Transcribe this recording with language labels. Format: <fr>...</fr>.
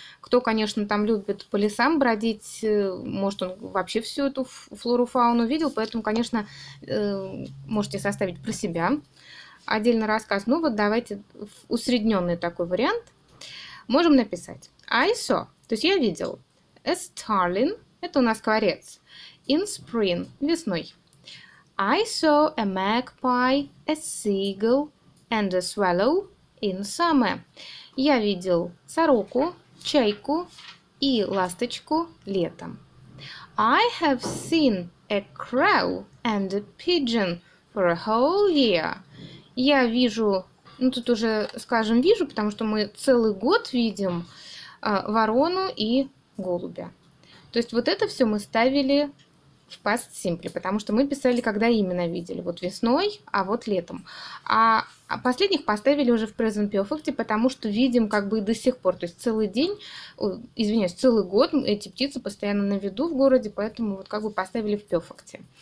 <ru>Кто, конечно, там любит по лесам бродить, может, он вообще всю эту флору-фауну видел, поэтому, конечно, можете составить про себя отдельный рассказ. Ну, вот давайте усредненный такой вариант. Можем написать.</ru> <en>I saw,</en> <ru>то есть я видел,</ru> <en>a starling,</en> <ru>это у нас скворец,</ru> <en>in spring,</en> <ru>весной.</ru> <en>I saw a magpie, a seagull, and a swallow in summer.</en> <ru>Я видел сороку, чайку и ласточку летом.</ru> <en>I have seen a crow and a pigeon for a whole year.</en> <ru>Я вижу, ну тут уже, скажем, вижу, потому что мы целый год видим ворону и голубя. То есть вот это все мы ставили в past simple, потому что мы писали, когда именно видели. Вот весной, а вот летом. А последних поставили уже в present perfect, потому что видим как бы и до сих пор. То есть целый день, извиняюсь, целый год эти птицы постоянно на виду в городе, поэтому вот как бы поставили в perfect.</ru>